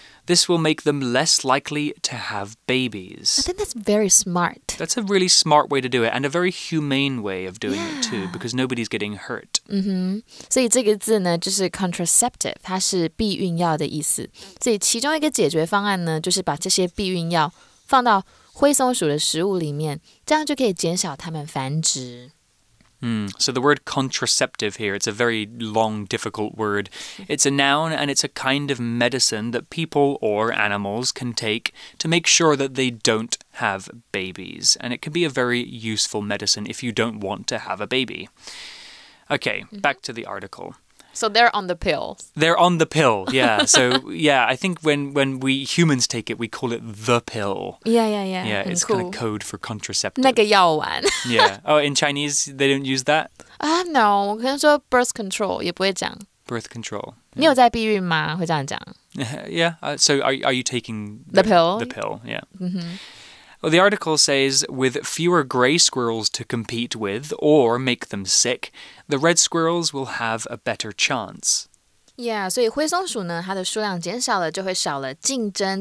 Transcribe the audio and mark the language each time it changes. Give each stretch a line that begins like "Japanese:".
English: This will make them less likely to have babies. I think that's very smart. That's a really smart way to do it, and a very humane way of doing it too, because nobody's getting hurt.
Chinese: Mm-hmm. 所以这个字呢，就是 contraceptive, 它是避孕药的意思。所以其中一个解决方案呢，就是把这些避孕药放到灰松鼠的食物里面，这样就可以减少它们繁殖。
English: So the word contraceptive here, it's a very long, difficult word. It's a noun and it's a kind of medicine that people or animals can take to make sure that they don't have babies. And it can be a very useful medicine if you don't want to have a baby. Okay, back to the article. So they're on the pill. They're on the pill, yeah. So, yeah, I think when we humans take it, we call it the pill. Yeah, it's cool. Kind of code for contraceptive.
Chinese: 那个药丸。
English: Yeah. Oh, in Chinese, they don't use that?
Chinese: No, 我可能说 birth control, 也不会讲。
English: Birth control.
Chinese: Yeah. 你有在避孕吗？会这样讲。
English: Yeah, so are you taking the pill? The pill, yeah. Mm-hmm. Well, the article says, with fewer grey squirrels to compete with or make them sick, the red squirrels will have a better chance.
Chinese: Yeah, 所以灰松鼠呢，它的数量减少了，就会少了竞争。